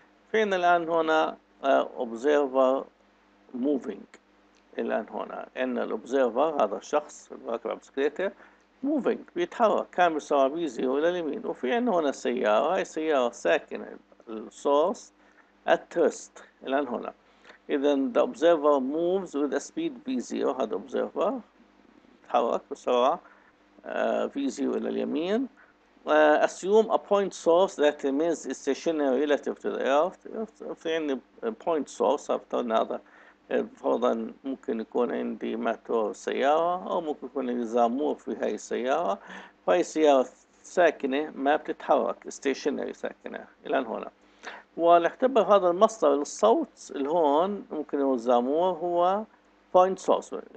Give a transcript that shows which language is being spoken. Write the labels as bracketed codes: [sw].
[ar] فين الان هنا observer moving، الان هنا ان الاوبزرفر هذا الشخص راكب على بسكليته moving بيتحرك كان بسرعه بي زيرو الى اليمين، وفي عندنا هنا سياره، هاي سياره ساكنه السورس اترست الان هنا. اذا [en] the observer moves with a speed [ar] بي زيرو، هذا observer تحرك بسرعة في زيرو إلى اليمين. [en] Assume a point source that means it's stationary relative to the earth. [ar] في عندي point source أفترض هذا فرضا ممكن يكون عندي ماتور سيارة أو ممكن يكون عندي زامور في هاي السيارة، فهي سيارة ساكنة ما بتتحرك stationary ساكنة إلى هنا. ونعتبر هذا المصدر للصوت اللي هون ممكن يكون زامور هو point source.